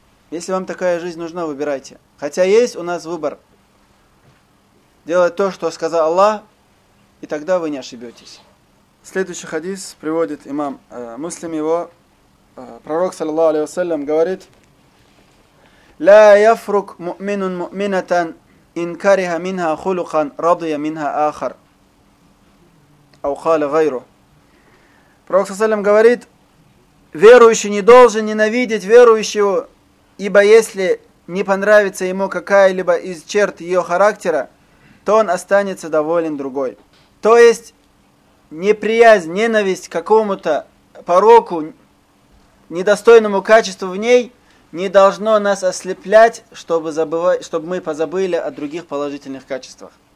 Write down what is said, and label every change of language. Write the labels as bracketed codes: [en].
[ru] Если вам такая жизнь нужна, выбирайте. Хотя есть у нас выбор. Делать то, что сказал Аллах, и тогда вы не ошибетесь. Следующий хадис приводит имам Муслим его. Пророк, саллиллаху алейхи ва саллям, говорит, [ar] لا يفرق مؤمن مؤمنة إن كره منها خلقا رضي منها آخر. Ау хали гайру. [ru] Пророк Сасалям говорит, верующий не должен ненавидеть верующего, ибо если не понравится ему какая-либо из черт ее характера, то он останется доволен другой. То есть неприязнь, ненависть к какому-то пороку, недостойному качеству в ней, не должно нас ослеплять, чтобы мы позабыли о других положительных качествах.